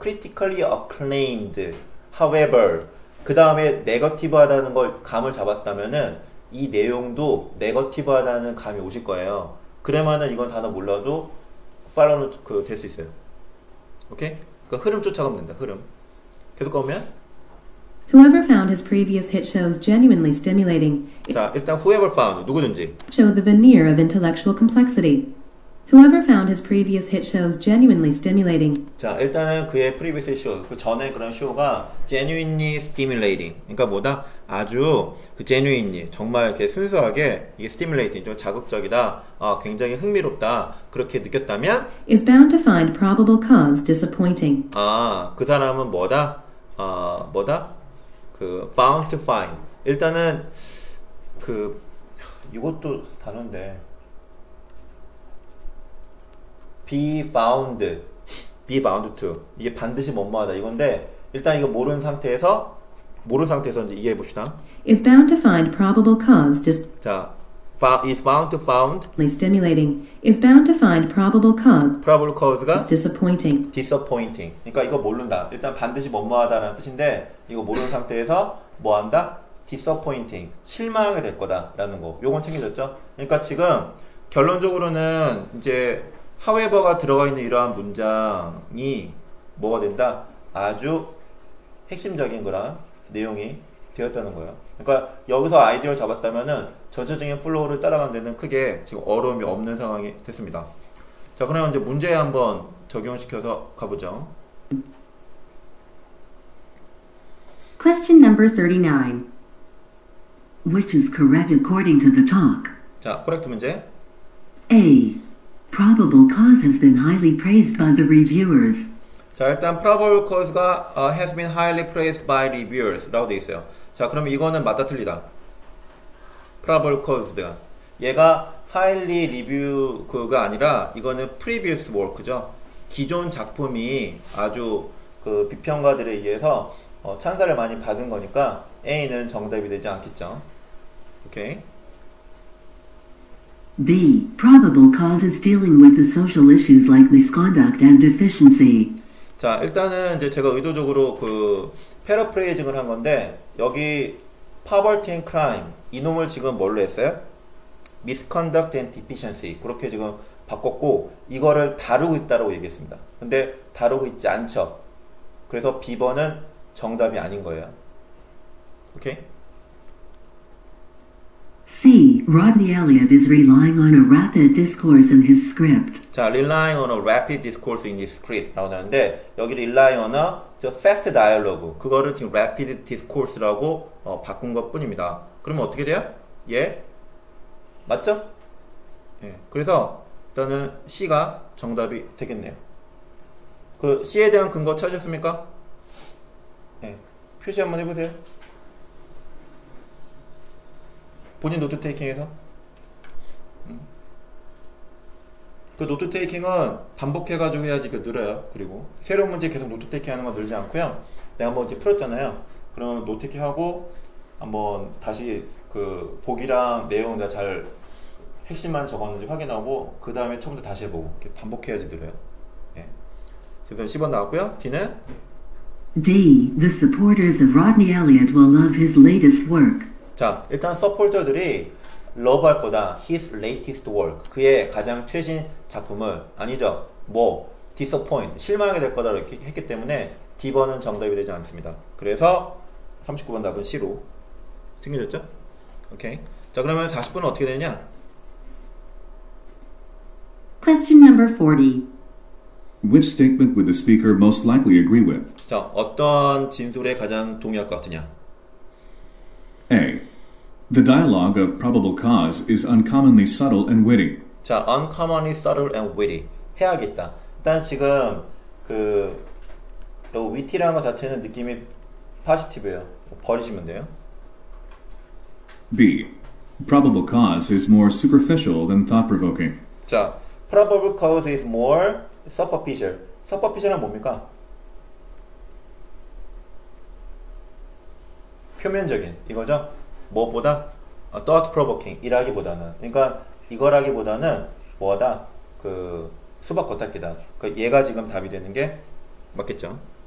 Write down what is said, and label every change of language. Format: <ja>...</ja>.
<en>critically acclaimed, however</en> <ko>그 다음에 네거티브하다는 걸 감을 잡았다면은 이 내용도 네거티브하다는 감이 오실 거예요. 그러면은 이건 단어 몰라도 팔로우는 그 될 수 있어요. 오케이? 그러니까 흐름 쫓아가면 된다. 흐름 계속 가면</ko> <en>Whoever found his previous hit shows genuinely stimulating.</en> <ko>자 일단</ko> <en>whoever found</en> <ko>누구든지</ko> <en>show the veneer of intellectual complexity. Whoever found his previous hit shows genuinely stimulating.</en> <ko>자, 일단은 그의 프리비스 쇼, 그 전에 그런 쇼가</ko> <en>genuinely stimulating.</en> <ko>그러니까 뭐다? 아주 그 genuinely, 정말 이렇게 순수하게 이게 stimulating, 좀 자극적이다. 아, 굉장히 흥미롭다. 그렇게 느꼈다면</ko> <en>is bound to find probable cause disappointing.</en> <ko>아, 그 사람은 뭐다? 아, 뭐다? 그</ko> <en>bound to find.</en> <ko>일단은 그 이것도 다른데.</ko> <en>Be bound to.</en> <ko>이게 반드시 뭐뭐하다 이건데 일단 이거 모르는 상태에서 이제 이해해 봅시다.</ko> <en>Is bound to find probable cause. Is bound to find. Stimulating. Is bound to find probable cause. Probable cause가 disappointing.</en> <ko>Disappointing. 그러니까 이거 모른다. 일단 반드시 뭐뭐하다라는 뜻인데 이거 모르는 상태에서 뭐한다?</ko> <en>Disappointing.</en> <ko>실망하게 될 거다라는 거. 요건 챙겨졌죠? 그러니까 지금 결론적으로는 이제 however가 들어가 있는 이러한 문장이 뭐가 된다? 아주 핵심적인 그런 내용이 되었다는 거예요. 그러니까 여기서 아이디어를 잡았다면은 전체적인 플로우를 따라가는 데는 크게 지금 어려움이 없는 상황이 됐습니다. 자, 그러면 이제 문제에 한번 적용시켜서 가보죠.</ko> <en>Question number 39. Which is correct according to the talk?</en> <ko>자, 코렉트 문제.</ko> <en>A. Probable cause has been highly praised by the reviewers. 자, 일단 probable cause가 has been highly praised by reviewers</en> <ko>라고 돼 있어요. 자, 그러면 이거는 맞다 틀리다. Probable cause 얘가</ko> <en>highly review가</en> <ko>아니라 이거는</ko> <en>previous work죠.</en> <ko>기존 작품이 아주 그 비평가들에 의해서 찬사를 많이 받은 거니까 A는 정답이 되지 않겠죠. 오케이.</ko> <en>B. Probable cause is dealing with the social issues like misconduct and deficiency.</en> <ko>자, 일단은 이제 제가 의도적으로 그 패러프레이징을 한 건데 여기</ko> <en>poverty and crime</en> <ko>이놈을 지금 뭘로 했어요?</ko> <en>Misconduct and deficiency</en> <ko>그렇게 지금 바꿨고 이거를 다루고 있다라고 얘기했습니다. 근데 다루고 있지 않죠. 그래서 B번은 정답이 아닌 거예요. 오케이?</ko> <en>C. Rodney Elliott is relying on a rapid discourse in his script. 자, relying on a rapid discourse in his script</en> <ko>라고 하는데 여기</ko> <en>rely on a fast dialogue</en> <ko>그거를 지금</ko> <en>rapid discourse</en> <ko>라고 바꾼 것 뿐입니다. 그러면 어떻게 돼요? 예? 맞죠? 예. 그래서 일단은 C가 정답이 되겠네요. 그 C에 대한 근거 찾으셨습니까? 예. 표시 한번 해보세요. 본인 노트테이킹에서 그 노트테이킹은 반복해가지고 해야지 그 늘어요. 그리고 새로운 문제 계속 노트테이킹 하는 건 늘지 않고요. 내가 한번 이렇게 풀었잖아요. 그럼 노트테이킹 하고 한번 다시 그 보기랑 내용 내가 잘 핵심만 적었는지 확인하고 그 다음에 처음부터 다시 해보고 이렇게 반복해야지 늘어요. 예. 그래서 10번 나왔고요. D는</ko> <en>D. The supporters of Rodney Elliott will love his latest work.</en> <ko>자, 일단 서포터들이 love 할 거다.</ko> <en>His latest work.</en> <ko>그의 가장 최신 작품을 아니죠.</ko> <en>뭐 disappoint.</en> <ko>실망하게 될 거다 이렇게 했기 때문에 D번은 정답이 되지 않습니다. 그래서 39번 답은 C로 챙겨졌죠? 오케이. 자, 그러면 40번은 어떻게 되느냐?</ko> <en>Question number 40. Which statement would the speaker most likely agree with?</en> <ko>자, 어떤 진술에 가장 동의할 것 같으냐?</ko> <en>A. The dialogue of probable cause is uncommonly subtle and witty. 자, uncommonly subtle and witty.</en> <ko>해야겠다. 일단 지금 그 요 witty라는 것 자체는 느낌이 positive예요. 버리시면 돼요.</ko> <en>B. Probable cause is more superficial than thought-provoking. 자, probable cause is more superficial.</en> <ko>Superficial은 뭡니까? 표면적인 이거죠? 무엇보다</ko> <en>thought provoking</en> <ko>이라기보다는 그러니까 이거라기보다는 뭐다 그 수박 겉핥기다 그 얘가 지금 답이 되는 게 맞겠죠.</ko>